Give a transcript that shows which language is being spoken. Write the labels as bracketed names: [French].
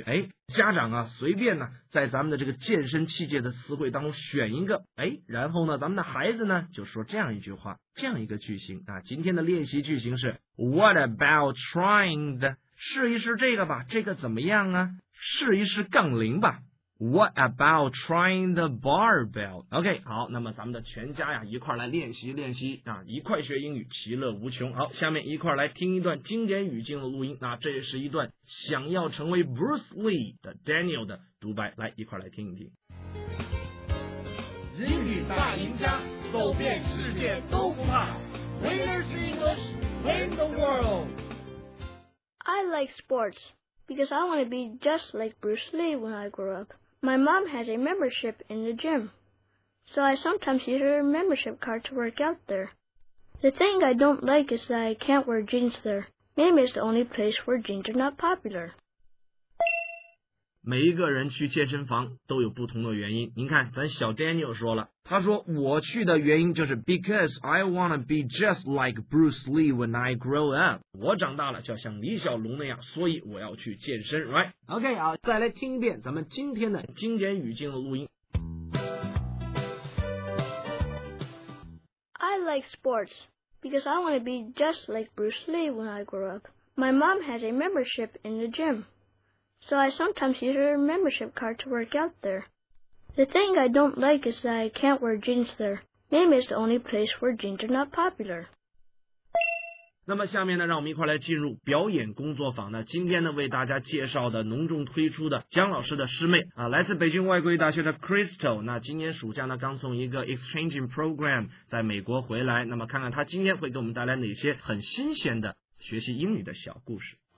[Chinese] 哎，家长啊，随便呢，在咱们的这个健身器械的词汇当中选一个，哎，然后呢，咱们的孩子呢就说这样一句话，这样一个句型啊。今天的练习句型是 [English] What about trying the？ [Chinese] 试一试这个吧，这个怎么样啊？试一试杠铃吧。 [English] What about trying the barbell? [Chinese] OK, 好，那么咱们的全家呀，一块来练习练习啊，一块学英语，其乐无穷。好，下面一块来听一段经典语境的录音。那这是一段想要成为 Bruce Lee 的 Daniel 的独白，来一块来听一听。英语大赢家，走遍世界都不怕。 [English] Winners English, win the world. I like sports. Because I want to be just like Bruce Lee when I grow up. My mom has a membership in the gym, so I sometimes use her membership card to work out there. The thing I don't like is that I can't wear jeans there. Maybe it's the only place where jeans are not popular. [Chinese] 每一个人去健身房都有不同的原因。您看，咱小 Daniel 说了，他说我去的原因就是 [English] because I wanna be just like Bruce Lee when I grow up. [Chinese] 我长大了就要像李小龙那样，所以我要去健身 ，right? OK 啊，再来听一遍咱们今天的经典语境的录音。 [English] I like sports because I want to be just like Bruce Lee when I grow up. My mom has a membership in the gym, so I sometimes use her membership card to work out there. The thing I don't like is that I can't wear jeans there. Maybe it's the only place where jeans are not popular. [Chinese] 那么下面呢，让我们一块来进入表演工作坊呢。今天呢，为大家介绍的隆重推出的姜老师的师妹啊，来自北京外国语大学的 Crystal。那今年暑假呢，刚从一个 exchanging program 在美国回来。那么看看她今天会给我们带来哪些很新鲜的学习英语的小故事。